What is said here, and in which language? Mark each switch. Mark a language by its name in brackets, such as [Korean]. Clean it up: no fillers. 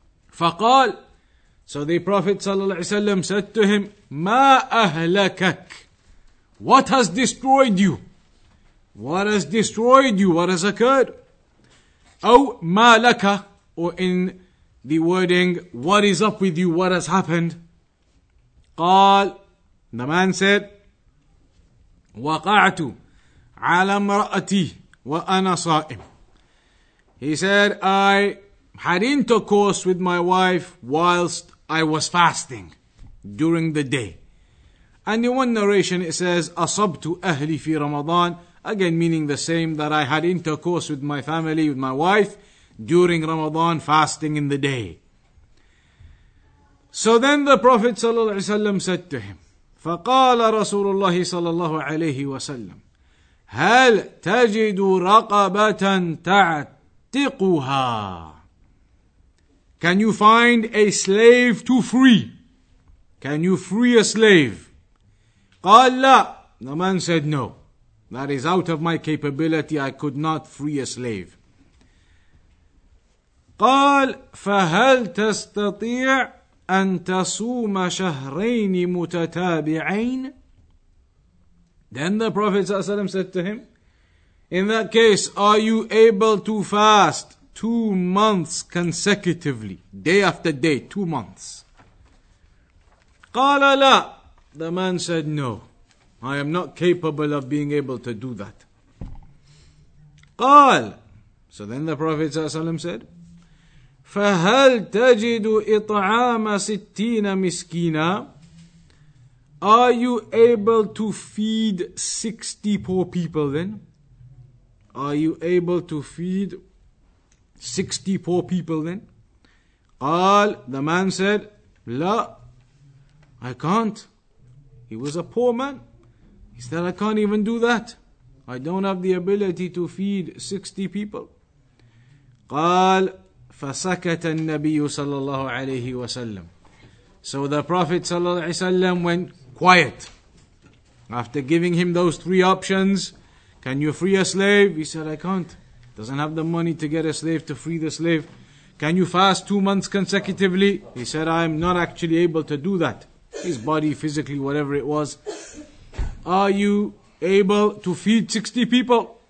[English] Faqal, so the Prophet sallallahu alaihi wasallam said to him, [Arabic] Ma ahlakak, [English] what has destroyed you? What has destroyed you? What has occurred? [Arabic] أو ما لك, [English] or in the wording, what is up with you? What has happened? [Arabic] قال, [English] the man said, [Arabic] وقعت على امرأتي وأنا صائم. [English] He said, I had intercourse with my wife whilst I was fasting during the day. And in one narration it says, [Arabic] أصبت أهلي في رمضان. [English] Again, meaning the same, that I had intercourse with my family, with my wife, during Ramadan, fasting in the day. So then the Prophet sallallahu alaihi wasallam said to him, [Arabic] فَقَالَ رَسُولُ اللَّهِ صَلَّى اللَّهُ عَلَيْهِ وَسَلَّمَ هَلْ تَجِدُ رَقَبَةً تَعْتِقُهَا. [English] Can you find a slave to free? Can you free a slave? [Arabic] قَالَ لَا. [English] The man said, no. That is out of my capability. I could not free a slave. [Arabic] قال فهل تستطيع أن تصوم شهرين متتابعين. [English] Then the Prophet ﷺ said to him, in that case, are you able to fast 2 months consecutively, day after day, 2 months? [Arabic] قال لا. [English] The man said, no, I am not capable of being able to do that. [Arabic] قال, [English] so then the Prophet ﷺ said, [Arabic] فَهَلْ تَجِدُ إِطْعَامَ سِتِّينَ مِسْكِينَ. [English] Are you able to feed 60 poor people then? Are you able to feed 60 poor people then? قال, the man said, لَا, I can't. He was a poor man. He said, I can't even do that. I don't have the ability to feed 60 people. [Arabic] قال فسكت النبي صلى الله عليه وسلم. [English] So the Prophet صلى الله عليه وسلم went quiet. After giving him those three options, can you free a slave? He said, I can't. Doesn't have the money to get a slave, to free the slave. Can you fast 2 months consecutively? He said, I'm not actually able to do that. His body, physically, whatever it was. Are you able to feed 60 people?